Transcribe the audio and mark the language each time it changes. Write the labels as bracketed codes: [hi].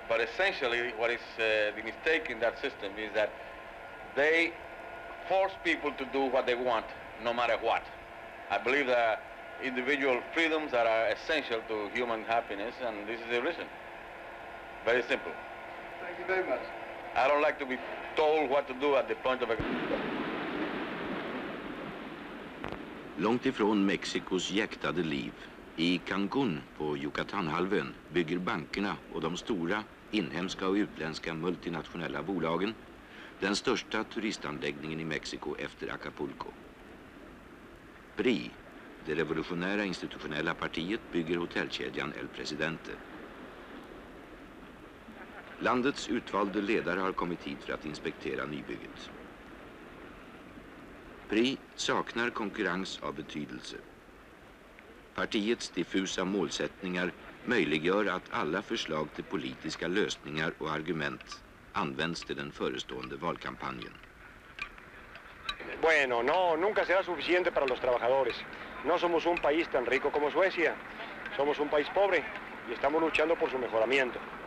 [en] But essentially, what is the mistake in that system is that they force people to do what they want, no matter what. I believe that individual freedoms that are essential to human happiness, and this is the reason. Very simple. Thank you very much. I don't like to be told what to do at the point of a... [sv] Långt ifrån Mexikos jäktade liv, i Cancun på Yucatanhalvön, bygger bankerna och de stora inhemska och utländska multinationella bolagen den största turistanläggningen i Mexiko efter Acapulco. PRI, det revolutionära institutionella partiet, bygger hotellkedjan El Presidente. Landets utvalde ledare har kommit hit för att inspektera nybygget. PRI saknar konkurrens av betydelse. Partiets diffusa målsättningar möjliggör att alla förslag till politiska lösningar och argument används till den förestående valkampanjen. [es] Bueno, no, nunca será suficiente para los trabajadores. No somos un país tan rico como Suecia. Somos un país pobre y estamos luchando por su mejoramiento.